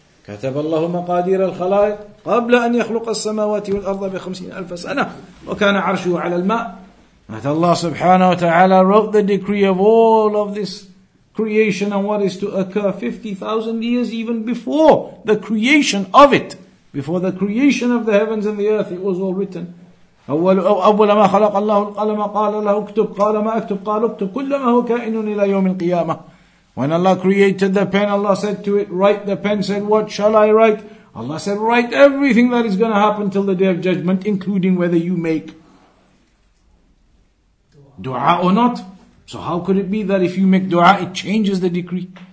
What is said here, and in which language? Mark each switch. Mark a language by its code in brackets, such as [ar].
[ar] كَتَبَ اللَّهُ مَقَادِيرَ الْخَلَائِقِ قَبْلَ أَنْ يَخْلُقَ السَّمَاوَاتِ وَالْأَرْضَ بِخَمْسِينَ أَلْفَ سَنَةٍ وَكَانَ عَرْشُهُ عَلَى الْمَاءِ. [en] That Allah subhanahu wa ta'ala wrote the decree of all of this creation and what is to occur 50,000 years even before the creation of it. Before the creation of the heavens and the earth, it was all written. [ar] أول ما خلق الله القلم قال له اكتب قال ما اكتب قال اكتب كل ما هو كائن إلى يوم القيامة. [en] When Allah created the pen, Allah said to it, write the pen, said, what shall I write? Allah said, write everything that is going to happen till the day of judgment, including whether you make dua or not. So how could it be that if you make dua, it changes the decree?